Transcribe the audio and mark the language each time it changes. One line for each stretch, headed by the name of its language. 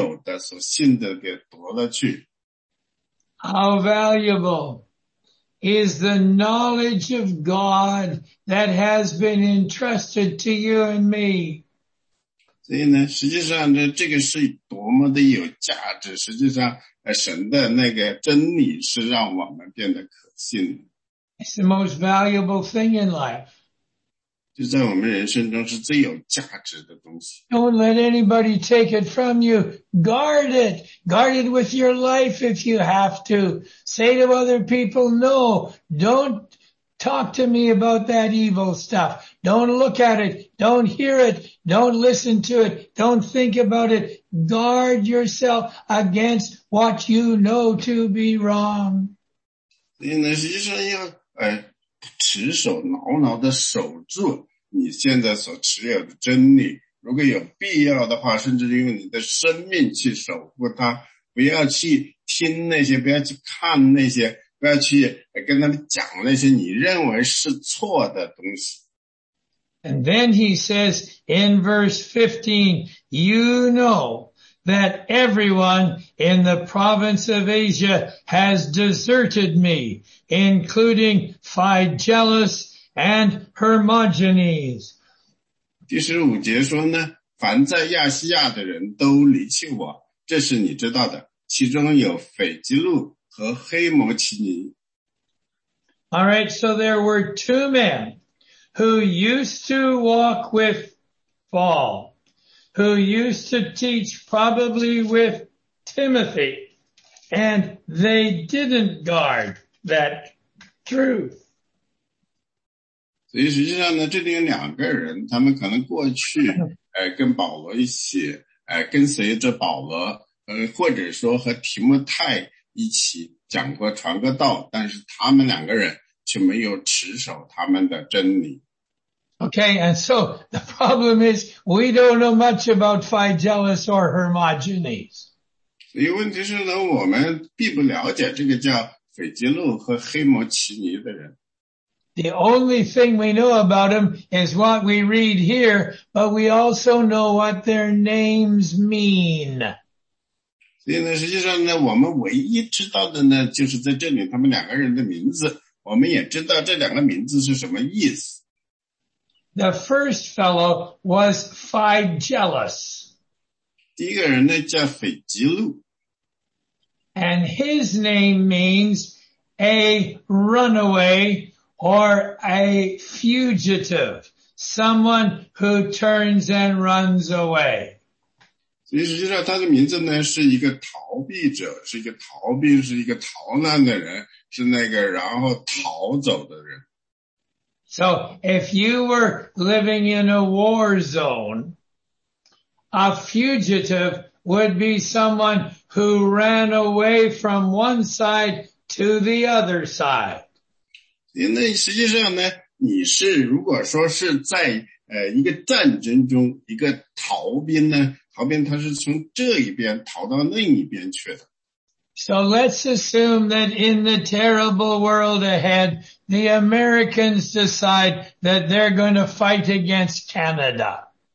Chinese: 实际上那个是一个被告知被一个小女孩告知是错的那个男人，他跟这个小女孩说，你要牢牢守住你现在所有的，不要让我，不要让任何其他的人，不要让任何人把你现在所有的所信的给夺了去。
English: How valuable is the knowledge of God that has been entrusted to you and me.
Chinese: 所以呢，实际上呢，这个是多么的有价值。实际上，神的那个真理是让我们变得可信的。
English: It's the most valuable thing in life.
Chinese: 就在我们人生中是最有价值的东西。
English: Don't let anybody take it from you. Guard it. Guard it with your life if you have to. Say to other people, no, don't talk to me about that evil stuff. Don't look at it. Don't hear it. Don't listen to it. Don't think about it. Guard yourself against what you know to be wrong.
Chinese: 实际上要持守牢牢地守住你现在所持有的真理，如果有必要的话，甚至用你的生命去守护它，不要去听那些，不要去看那些，不要去跟他们讲那些你认为是错的东西。
English: And then he says in verse 15, you know that everyone in the province of Asia has deserted me, including Phygellus and Hermogenes.
Chinese: 第十五节说呢，凡在亚细亚的人都离弃我，这是你知道的，其中有腓基路和黑摩奇尼。
English: All right, so there were two men who used to walk with Paul, who used to teach probably with Timothy, and they didn't guard that truth.
Chinese: 所以实际上呢，这里有两个人，他们可能过去跟保罗一起跟随着保罗或者说和提摩太一起讲过传过道，但是他们两个人却没有持守他们的真理。
English: Okay, and so the problem is we don't know much about Phygellus or Hermogenes.
Chinese: 所以问题是呢，我们并不了解这个叫腓基路和黑摩奇尼的人。
English: The only thing we know about them is what we read here, but we also know what their names mean.
Chinese: 所以呢，实际上呢，我们唯一知道的呢，就是在这里他们两个人的名字，我们也知道这两个名字是什么意思。
English: The first fellow was Phygellus.
Chinese: 第一个人呢叫腓基路。
English: And his name means a runaway or a fugitive, someone who turns and runs away.
Chinese: 所以实际上他的名字呢是一个逃避者，是一个逃兵，是一个逃难的人，是那个然后逃走的人。
English: So if you were living in a war zone, a fugitive would be someone who ran away from one side to the other side.
Chinese: 那实际上呢，你是如果说是在一个战争中一个逃兵呢，逃兵他是从这一边逃到另一边去的。
English: So let's assume that in the terrible world ahead, the Americans decide that they're going to fight against Canada.